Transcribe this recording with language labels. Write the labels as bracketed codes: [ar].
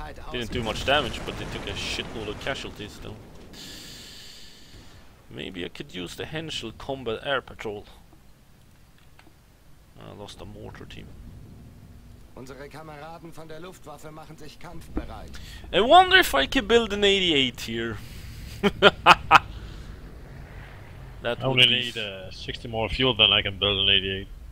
[en] Didn't do much damage, but they took a shitload of casualties though. Maybe I could use the Henschel Combat Air Patrol. I lost a mortar team. [de] Unsere Kameraden von der Luftwaffe machen sich kampfbereit. [en] I wonder if I could build an 88 here. That I only would need 60 more fuel than I can build an 88.